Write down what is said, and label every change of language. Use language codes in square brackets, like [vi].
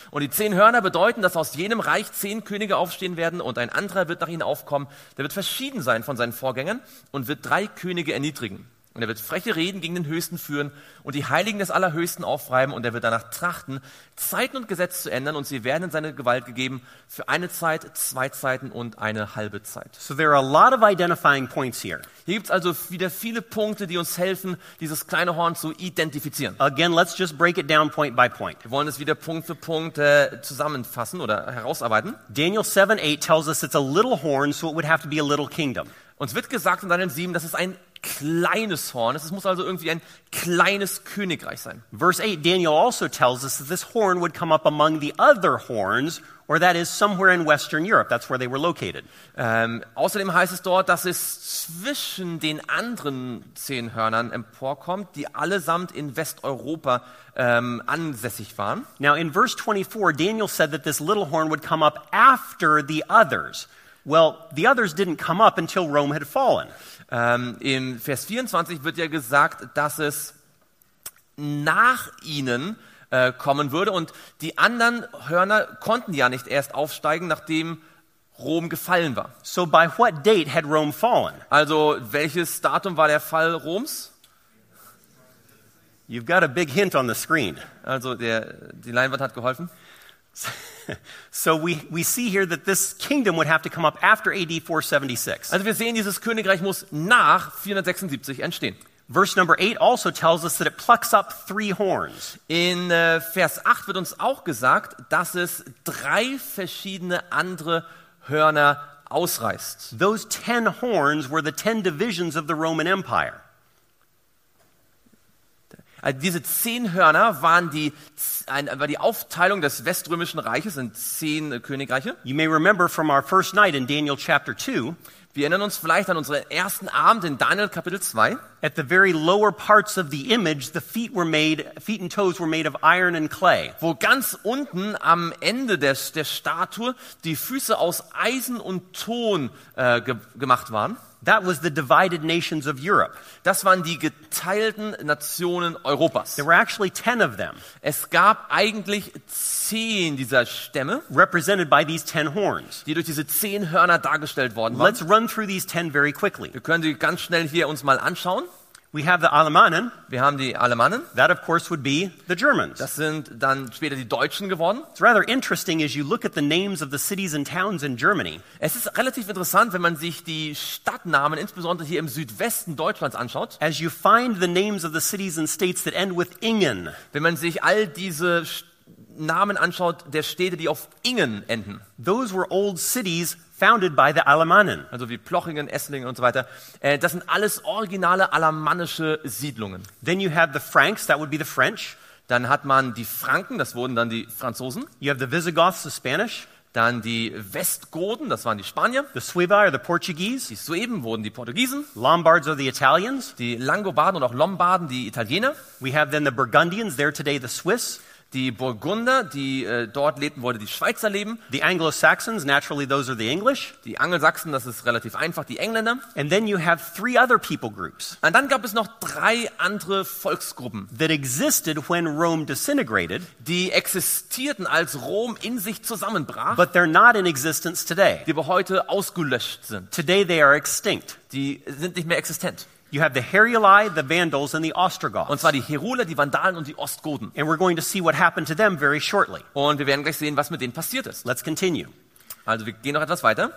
[de] Und die 10 Hörner bedeuten, dass aus jenem Reich 10 Könige aufstehen werden und ein anderer wird nach ihnen aufkommen. Der wird verschieden sein von seinen Vorgängern und wird 3 Könige erniedrigen. Und er wird freche Reden gegen den Höchsten führen und die Heiligen des Allerhöchsten aufreiben und er wird danach trachten, Zeiten und Gesetze zu ändern und sie werden in seine Gewalt gegeben für eine Zeit, 2 Zeiten und eine halbe Zeit. [en] So there are a lot of identifying points here. [de] Hier gibt's also wieder viele Punkte, die uns helfen, dieses kleine Horn zu identifizieren. [en] Again, let's just break it down point by point. [de] Wir wollen es wieder Punkt für Punkt zusammenfassen oder herausarbeiten. [en] Daniel 7:8 tells us it's a little horn, so it would have to be a little kingdom. [de] Uns wird gesagt in Daniel 7, dass es ein kleines Horn. Es muss also irgendwie ein kleines Königreich sein. [en] Verse 8, Daniel also tells us that this horn would come up among the other horns, or that is somewhere in Western Europe. That's where they were located. [de] Außerdem heißt es dort, dass es zwischen den anderen 10 Hörnern emporkommt, die allesamt in Westeuropa ansässig waren. [en] Now in verse 24, Daniel said that this little horn would come up after the others. Well, the others didn't come up until Rome had fallen. [de] Im Vers 24 wird ja gesagt, dass es nach ihnen kommen würde und die anderen Hörner konnten ja nicht erst aufsteigen, nachdem Rom gefallen war. [en] So by what date had Rome fallen? [de] Also welches Datum war der Fall Roms? [en] You've got a big hint on the screen. [de] Also die Leinwand hat geholfen. [en] So we see here that this kingdom would have to come up after AD 476. [de] Also wir sehen, dieses Königreich muss nach 476 entstehen. [en] Verse number 8 also tells us that it plucks up 3 horns. [de] In Vers 8 wird uns auch gesagt, dass es 3 verschiedene andere Hörner ausreißt. [en] Those 10 horns were the 10 divisions of the Roman Empire. [de] Also diese 10 Hörner waren die Aufteilung des Weströmischen Reiches in 10 Königreiche. [en] You may remember from our first night in Daniel chapter 2. [de] Wir erinnern uns vielleicht an unseren ersten Abend in Daniel Kapitel 2. [en] At the very lower parts of the image, the feet and toes were made of iron and clay. [de] Wo ganz unten am Ende der Statue die Füße aus Eisen und Ton gemacht waren. [en] That was the divided nations of Europe. [de] Das waren die geteilten Nationen Europas. [en] There were actually 10 of them. [de] Es gab eigentlich 10 dieser Stämme, [en] represented by these 10 horns, [de] die durch diese 10 Hörner dargestellt worden waren. [en] Let's run through these 10 very quickly. [de] Wir können sie ganz schnell hier uns mal anschauen. [en] We have the Alemannen. [de] Wir haben die Alemannen. [en] That of course would be the Germans. [de] Das sind dann später die Deutschen geworden. [en] It's rather interesting as you look at the names of the cities and towns in Germany. [de] Es ist relativ interessant, wenn man sich die Stadtnamen insbesondere hier im Südwesten Deutschlands anschaut. [en] As you find the names of the cities and states that end with ingen. [de] Wenn man sich all diese Namen anschaut der Städte, die auf ingen enden. [en] Those were old cities founded by the Alemannen. [de] Also wie Plochingen, Esslingen und so weiter. Das sind alles originale alemannische Siedlungen. [en] Then you have the Franks, that would be the French. [de] Dann hat man die Franken, das wurden dann die Franzosen. [en] You have the Visigoths, the Spanish. [de] Dann die Westgoten, das waren die Spanier. [en] The Suevi are the Portuguese. [de] Die Sueben wurden die Portugiesen. [en] Lombards are the Italians. [de] Die Langobarden und auch Lombarden, die Italiener. [en] We have then the Burgundians, they're today the Swiss. [de] Die Burgunder, die dort lebten, wurde die Schweizer leben. [en] The Anglo-Saxons, naturally those are the English. [de] Die Angelsachsen, das ist relativ einfach, die Engländer. [en] And then you have 3 other people groups. [de] Und dann gab es noch 3 andere Volksgruppen. [en] That existed when Rome disintegrated. [de] Die existierten, als Rom in sich zusammenbrach. [en] But they're not in existence today. [de] Die aber heute ausgelöscht sind. [en] Today they are extinct. [de] Die sind nicht mehr existent. [en] You have the Heruli, the Vandals and the Ostrogoths. [de] Und zwar die Heruler, die Vandalen und die Ostgoten. [en] And we're going to see what happened to them very shortly. [de] Und wir werden gleich sehen, was mit denen passiert ist. [en] Let's continue. [de] Also wir gehen noch etwas weiter.